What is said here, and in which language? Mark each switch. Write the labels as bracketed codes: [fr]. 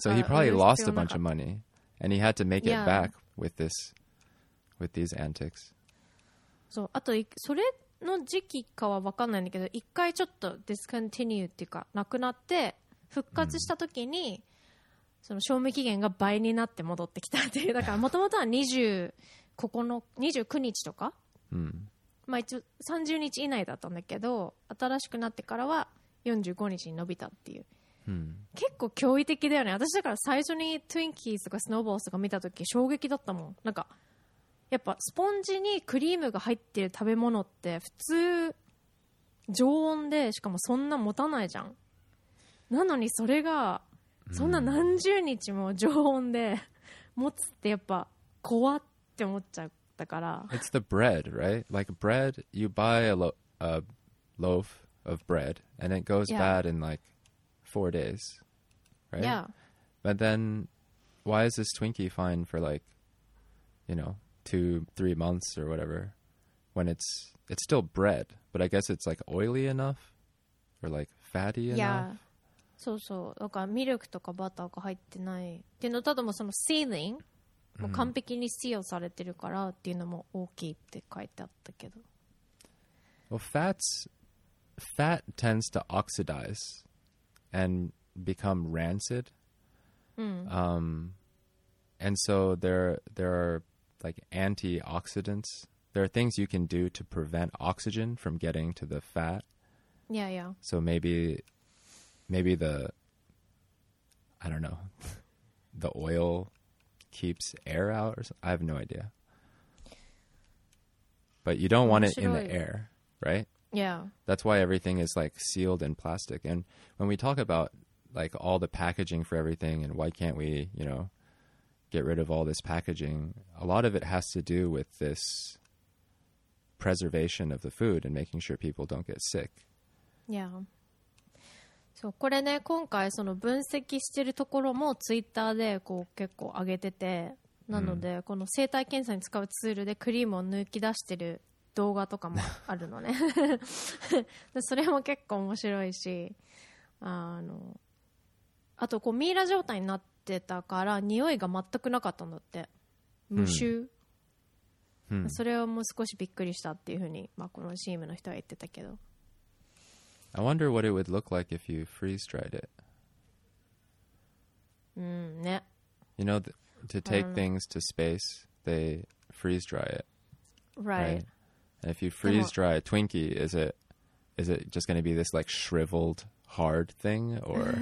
[en] he probably lost a bunch of money and he had to make it back with these antics. [ja] そう、あとそれの時期かは分かんないんだけど、一回ちょっとディスコンティニューっていうかなくなって、復活した時にその賞味期限が倍になって戻ってきたっていう。だからもともとは29日とか、まあ一応30日以内だったんだけど、新しくなってからは45日に伸びたっていう。うん、結構驚異的だよね。私だから最初にトゥインキーズとかスノーボールズとか見た時衝撃だったもん。なんかやっぱスポンジにクリームが入ってる食べ物って普通常温でしかもそんな持たないじゃん。なのにそれがそんな何十日も常温で持つってやっぱ怖って思っちゃったから。 [en] It's the bread, right? Like bread, you buy a loaf of bread and it goes bad in like 4 days, right? Yeah. But then, why is this Twinkie fine for like, you know, 2-3 months or whatever, when it's still bread, but I guess it's like oily enough or like fatty enough. Yeah. So so. [ja] だからミルクとかバターが入ってないっていうの、ただもそのシーリングも完璧にシールされてるからっていうのも大きいって書いてあったけど。 [en] Well, fat tends to oxidize. And become rancid. And so there are like antioxidants there are things you can do to prevent oxygen from getting to the fat. Yeah, yeah. So maybe the, I don't know, the oil keeps air out or something. I have no idea. But you don't want it in the air, right? Yeah. That's why everything is like sealed in plastic. And when we talk about like all the packaging for everything and why can't we, you know, get rid of all this packaging, a lot of it has to do with this preservation of the food and making sure people don't get sick. Yeah. [ja] そう、これね、今回その分析してるところもツイッターでこう結構上げてて、なのでこの生体検査に使うツールでクリームを抜き出してる動画とかもあるのね。それも結構面白いし、あとこうミイラ状態になってたから匂いが全くなかったんだって、無臭、うんうん、それはもう少しびっくりしたっていうふうに、まあ、このチームの人は言ってたけど。 [en] I wonder what it would look like if you freeze dried it. うんね。 You know, to take things to space, they freeze dry it. Right. Right? And if you freeze dry a Twinkie, is it just going to be this like shriveled hard thing, or